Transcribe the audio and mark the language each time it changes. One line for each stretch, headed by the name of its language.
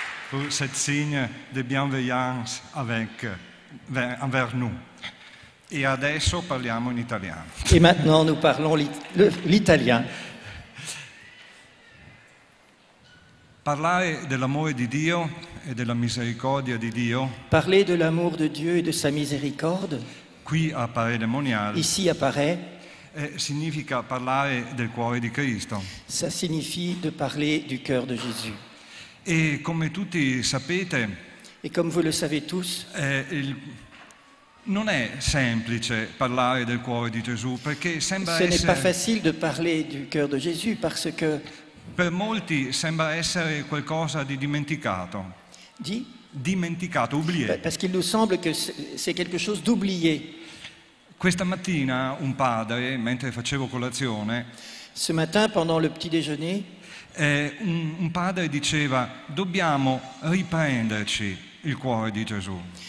French: Pour ce signe de bienveillance envers nous.
Italian: Et adesso parliamo in italiano.
French: Et maintenant nous parlons l'italien.
Italian: Parlare dell'amore di Dio e della misericordia di Dio.
French: Parler de l'amour de Dieu et de sa miséricorde.
Italian: Qui appare demoniale.
French: Ici apparaît.
Italian: Significa parlare del cuore di Cristo.
French: Ça signifie de parler du cœur de Jésus. Et comme
Italian: tutti sapete,
French: et comme vous le savez tous,
Italian: non è semplice parlare del cuore di Gesù perché sembra
French: ce n'est pas facile de parler du cœur de Jésus parce que
Italian: per molti sembra essere qualcosa di dimenticato.
French: Dimenticato, oublié. Parce qu'il nous semble que c'est quelque chose d'oublié.
Italian: Questa mattina un padre, mentre facevo colazione,
French: ce matin pendant le petit-déjeuner,
Italian: un padre diceva dobbiamo riprenderci il cuore di Gesù.